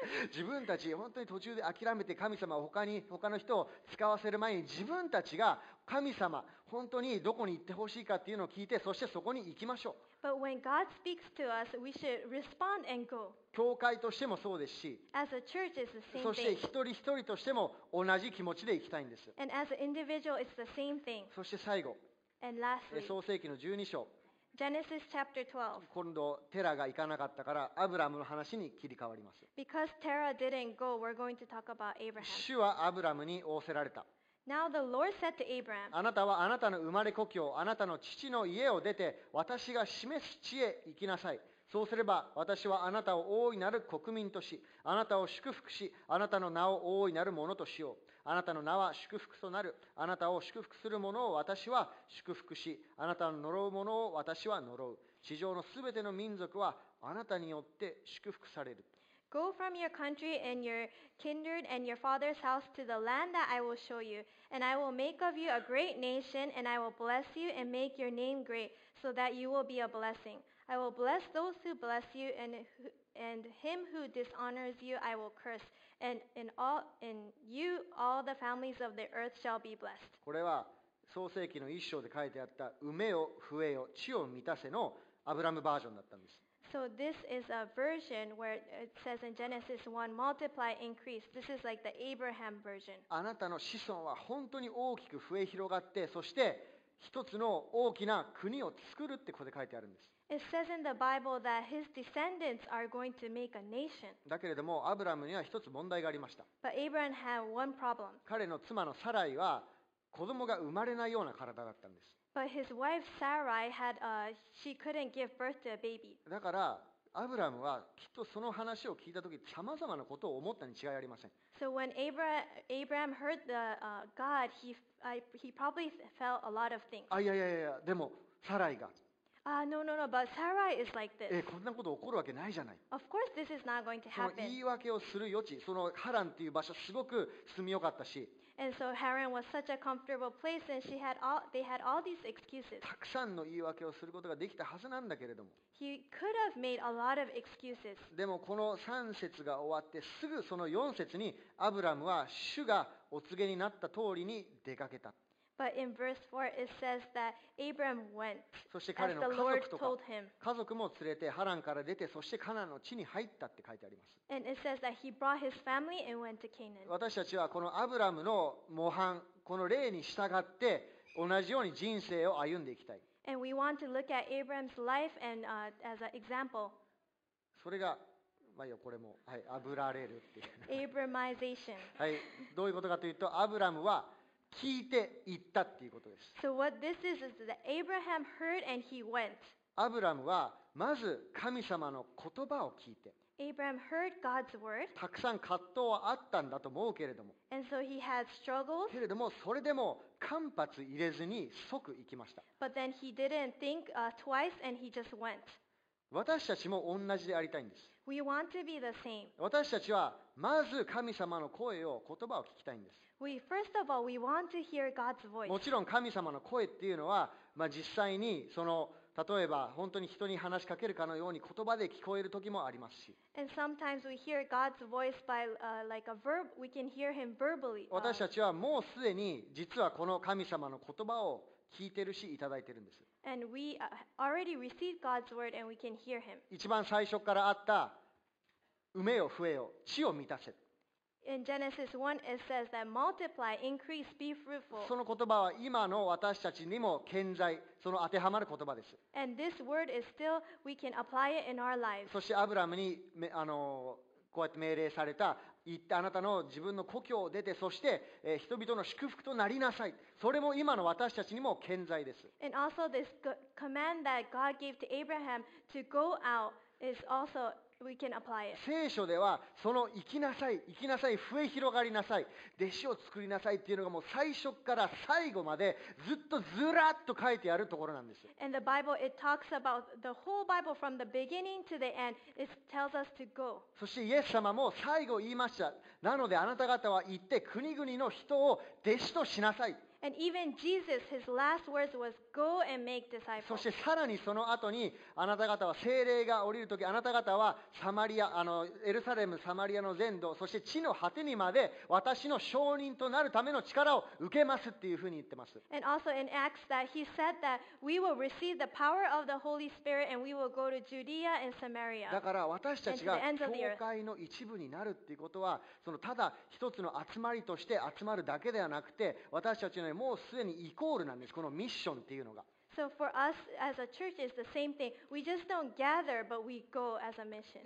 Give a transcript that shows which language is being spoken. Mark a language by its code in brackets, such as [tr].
[ja] 自分たち本当に途中で諦めて神様を他の人を使わせる前に、自分たちが神様本当にどこに行ってほしいかっていうのを聞いて、そしてそこに行きましょう。 [en] But when God speaks to us, we should respond and go. [ja] 教会としてもそうですし、 [en] as a church is the same thing. [ja] そして一人一人としても同じ気持ちで行きたいんです。 [en] And as an individual, it's the same thing. [ja] そして最後、 [en] and lastly, [ja] 創世記の12章。 [en] Genesis chapter 12. [ja] 今度テラが行かなかったからアブラムの話に切り替わります。 [en] Because Terah didn't go, we're going to talk about Abraham. [ja] 主はアブラムに仰せられた。 [en] Now the Lord said to Abraham, [ja] あなたはあなたの生まれ故郷、あなたの父の家を出て、私が示す地へ行きなさい。そうすれば、私はあなたを大いなる国民とし、あなたを祝福し、あなたの名を大いなるものとしよう。あなたの名は祝福となる。あなたを祝福する者を私は祝福し、あなたの呪う者を私は呪う。地上のすべての民族はあなたによって祝福される。 [en] Go from your country and your kindred and your father's house to the land that I will show you, and I will make of you a great nation, and I will bless you and make your name great, so that you will be a blessing. I will bless those who bless you, and him who dishonors you I will curse, and in you all the families of the earth shall be blessed. [ja] これは創世記の一章で書いてあった埋めよ増えよ地を満たせのアブラムバージョンだったんです。 [en] So this is a version where it says in Genesis 1, multiply, increase. This is like the Abraham version. [ja] あなたの子孫は本当に大きく増え広がって、そして一つの大きな国を作るってここで書いてあるんです。 [en] It says in the Bible that his descendants are going to make a nation. [ja] だけれども、アブラムには一つ問題がありました。 [en] But Abraham had one problem. [ja] 彼の妻のサライは子供が生まれないような体だったんです。 [en] But his wife Sarai had she couldn't give birth to a baby. [ja] だからアブラムはきっとその話を聞いたとき、さまざまなことを思ったに違いありません。 [en] So when Abraham heard the God, he probably felt a lot of things. [ja] あ、いやいやいや、でもサライが。 [en] No, but Sarai is like this. [ja] こんなこと起こるわけないじゃない。 [en] Of course, this is not going to happen. [ja] その言い訳をする余地、そのハランっていう場所すごく住みよかったし。 [en] And so Haran was such a comfortable place, and they had all these excuses. [ja] たくさんの言い訳をすることができたはずなんだけれども。 [en] He could have made a lot of excuses. [ja] でもこの3節が終わってすぐその4節にアブラムは主がお告げになった通りに出かけた。 [en] But in verse 4 it says that Abraham went. [ja] そして彼の家族とか家族も連れてハランから出て、そしてカナンの地に入ったって書いてあります。 [en] And it says that he brought his family and went to Canaan. [ja] 私たちはこのアブラムの模範、この例に従って同じように人生を歩んでいきたい。 [en] And we want to look at Abraham's life and as an example. [ja] それがまあ、いいよこれも、はい、あぶられるっていう。 [en] Abrahamization. [ja] はい、どういうことかというと、アブラムは聞いて行ったっていうことです。 [en] So what this is that Abraham heard and he went. [ja] アブラムはまず神様の言葉を聞いて。 [en] Abraham heard God's word. [ja] たくさん葛藤はあったんだと思うけれども。 [en] And so he had struggles. [ja] けれどもそれでも間髪入れずに即行きました。 [en] But then he didn't think twice and he just went. [ja] 私たちも同じでありたいんです。 [en] We want to be the same. [ja] 私たちはまず神様の声を言葉を聞きたいんです。 [en] We, first of all, we want to hear God's voice. [ja] もちろん神様の声っていうのは、まあ、実際にその例えば本当に人に話しかけるかのように言葉で聞こえる時もありますし。 [en] And sometimes we hear God's voice by like a verb. We can hear him verbally. [ja] 私たちはもうすでに実はこの神様の言葉を聞いてるしいただいてるんです。 [en] And we already received God's word and we can hear him. [ja] 一番最初からあった埋めよ増えよ地を満たせ。 [en] In Genesis 1, it says that multiply, increase, be fruitful. [ja] その言葉は今の私たちにも健在、その当てはまる言葉です。 [en] And this word is still, we can apply it in our lives. [ja] そしてアブラムにこうやって命令された、行ってあなたの自分の故郷を出て、そして人々の祝福となりなさい。それも今の私たちにも健在です。 [en] And also this command that God gave to Abraham to go out is also We can apply it. [ja] 聖書ではその行きなさい行きなさい増え広がりなさい弟子を作りなさいっていうのがもう最初から最後までずっとずらっと書いてあるところなんですよ。 [en] And the Bible, it talks about the whole Bible from the beginning to the end. It tells us to go. [ja] そしてイエス様も最後言いました。なのであなた方は行って国々の人を弟子としなさい。 [en] And even Jesus, his last words was, "Go and make disciples." [ja] そしてさらにその後に、あなた方は聖霊が降りるとき、あなた方はサマリア、エルサレム、サマリアの全土、そして地の果てにまで私の証人となるための力を受けますっていうふうに言ってます。 [en] And also in Acts that he said that we will receive the power of the Holy Spirit and we will go to Judea and Samaria. [ja] だから私たちが教会の一部になるっていうことは、そのただ一つの集まりとして集まるだけではなくて、私たちもうすでにイコールなんです。このミッションっていうのが。 [en] So for us as a church, it's the same thing. We just don't gather, but we go as a mission.